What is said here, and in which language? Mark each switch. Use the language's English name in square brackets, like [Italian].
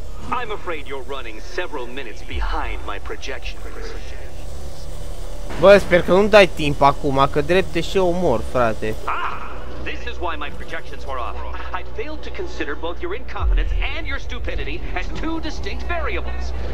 [English] I'm afraid you're running several minutes behind my projection. [Romanian] Bă, sper că nu-mi dai timp acum, că drepte și eu mor, frate. [English] This is why my projections were off. I failed to consider both your incompetence and your stupidity as two distinct variables.